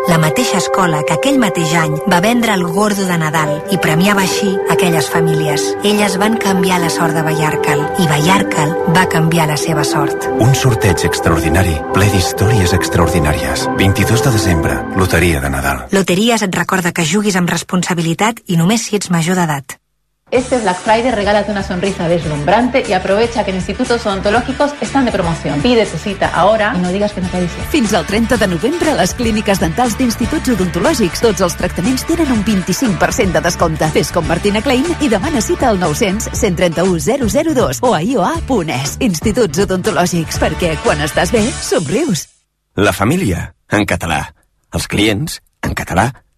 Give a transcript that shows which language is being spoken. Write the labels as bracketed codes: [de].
[ca] La mateixa escola que aquell mateix any va vendre el gordo de Nadal i premiava així aquelles famílies. Elles van canviar la sort de Mallorcal i Mallorcal va canviar la seva sort. Un sorteig extraordinari, ple d'històries extraordinàries. 22 de desembre, Loteria de Nadal. Loteries et recorda que juguis amb responsabilitat i només si ets major d'edat. [es] Este Black Friday regálate una sonrisa deslumbrante y aprovecha que en Institutos Odontológicos están de promoción. Pide tu cita ahora y no digas que no te dice. [ca] Fins al 30 de novembre, les clíniques dentals d'Instituts Odontològics, tots els tractaments tenen un 25% de descompte. Fes com Martina Klein i demana cita al 900 131 002 o a ioa.es. Instituts Odontològics, perquè quan estàs bé, somrius. La família, en català. Els clients, en català.